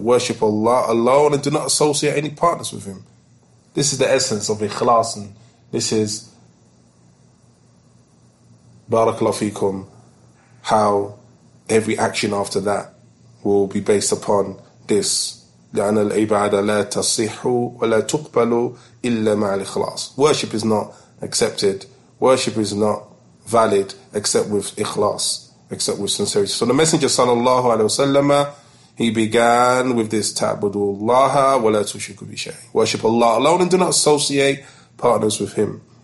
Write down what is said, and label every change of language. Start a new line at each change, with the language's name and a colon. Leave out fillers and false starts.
English: Worship Allah alone and do not associate any partners with Him. This is the essence of ikhlas, and this is, barakallahu feekum, how every action after that will be based upon this.
Arabic: لأن العبادة لا تصح ولا تقبل إلا مع الإخلاص.
English: Worship is not accepted. Worship is not valid except with ikhlas, except with sincerity. So the Messenger sallallahu alaihi wasallam, he began with this:
Arabic: تعبد الله ولا تشرك به شيئا.
English: Worship Allah alone and do not associate partners with Him.